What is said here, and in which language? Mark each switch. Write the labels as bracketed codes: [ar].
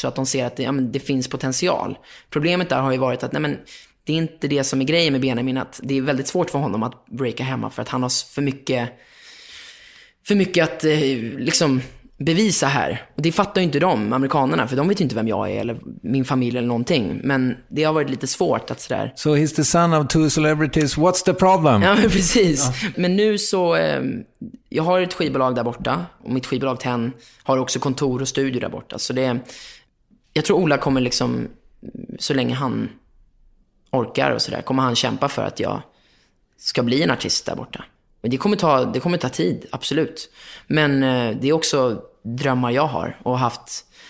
[sv] Så att de ser att det, ja, men det finns potential. Problemet där har ju varit att nej, men det är inte det som är grejen med Benjamin. Att det är väldigt svårt för honom att breaka hemma för att han har för mycket att liksom bevisa här. Och det fattar ju inte de, amerikanerna, för de vet ju inte vem jag är eller min familj eller någonting. Men det har varit lite svårt att sådär... [en] So he's the son of 2 celebrities, what's the problem? [sv] Ja, men precis. Ja. Men nu så... jag har ett skivbolag där borta och mitt skivbolag TEN har också kontor och studio där borta. Så det... Jag tror Ola kommer liksom, så länge han orkar och sådär, kommer han kämpa för att jag ska bli en artist där borta. Men det kommer ta tid, absolut. Men det är också drömmar jag har och haft.